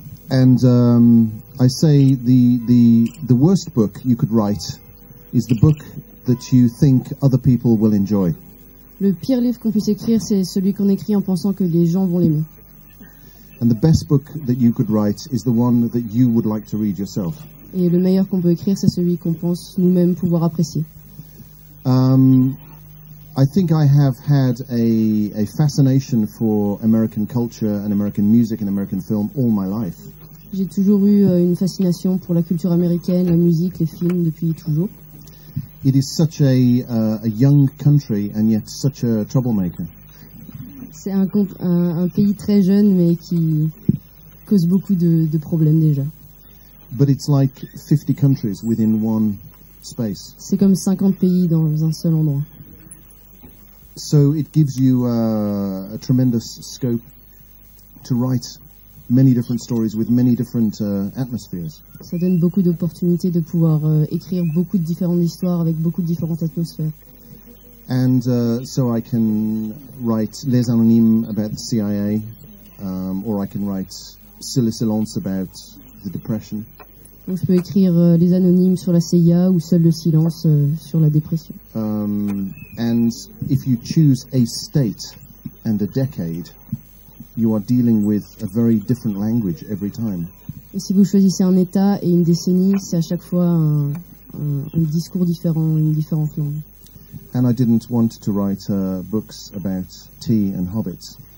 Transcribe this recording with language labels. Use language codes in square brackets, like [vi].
[en] And I say the worst book you could write is the book that you think other people will enjoy. [fr] Le pire livre qu'on puisse écrire, c'est celui qu'on écrit en pensant que les gens vont l'aimer. [en] And the best book that you could write is the one that you would like to read yourself. [fr] Et le meilleur qu'on peut écrire, c'est celui qu'on pense nous-mêmes pouvoir apprécier. [en] I think I have had a fascination for American culture and American music and American film all my life. [fr] J'ai toujours eu une fascination pour la culture américaine, la musique, les films depuis toujours. [en] It is such a young country and yet such a troublemaker. [fr] C'est un pays très jeune mais qui cause beaucoup de problèmes déjà. [en] But it's like 50 countries within one space. [fr] C'est comme 50 pays dans un seul endroit. [en] So it gives you a tremendous scope to write many different stories with many different atmospheres. [fr] Ça donne beaucoup d'opportunités de pouvoir écrire beaucoup de différentes histoires avec beaucoup de différentes atmosphères. [en] And so I can write Les Anonymes about the CIA, or I can write Sous le silence about the depression. [fr] Donc je peux écrire Les Anonymes sur la CIA ou Seul le silence sur la dépression. [en] And if you choose a state and a decade, you are dealing with a very different language every time. [fr] Et si vous choisissez un état et une décennie, c'est à chaque fois un discours différent, une différente langue. [en] And I didn't want to write books about tea and hobbits.